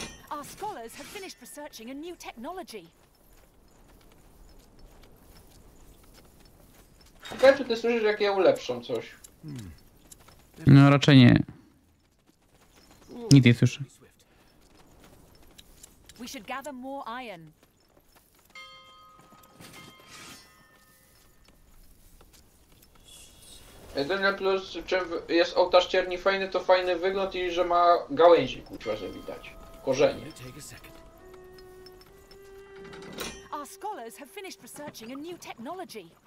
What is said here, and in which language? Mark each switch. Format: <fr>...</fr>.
<en>Our scholars have finished researching a new technology.</en> <pl>Czekaj, czy ty słyszysz, jak ja ulepszam coś? No raczej nie. Nigdy nie słyszę.</pl> <en>We should gather more iron.</en> <pl>Jedyny plus, czym jest ołtarz cierni fajny, to fajny wygląd i że ma gałęzi, kurczę, że widać. Korzenie.</pl> <en>Our scholars have finished researching a new technology.</en>